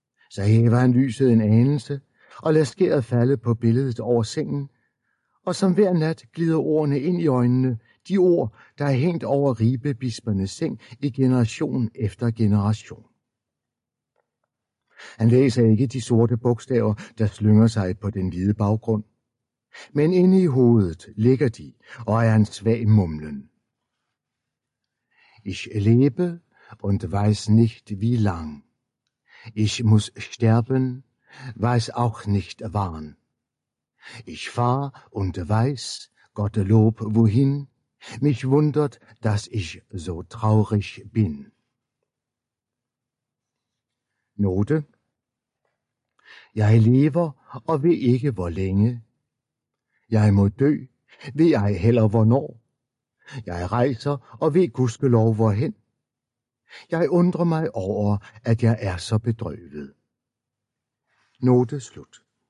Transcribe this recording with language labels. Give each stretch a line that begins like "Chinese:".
Danish: Så hæver han lyset en anelse, og lader skæret falde på billedet over sengen, og som hver nat glider ordene ind i øjnene, de ord, der er hængt over ribebispernes seng i generation efter generation. Han læser ikke de sorte bogstaver, der slynger sig på den hvide baggrund. Men inde i hovedet ligger de, og er en svag mumlen.
German: Ich lebe und weiß nicht wie lang. Ich muss sterben, weiß auch nicht wann. Ich fahr und weiß, Gottlob, wohin. Mich wundert, dass ich so traurig bin.
Danish: Note. Jeg lever og ved ikke hvor længe. Jeg må dø, ved jeg heller hvornår. Jeg rejser og ved gudskelov hvorhen. Jeg undrer mig over, at jeg er så bedrøvet. Note slut.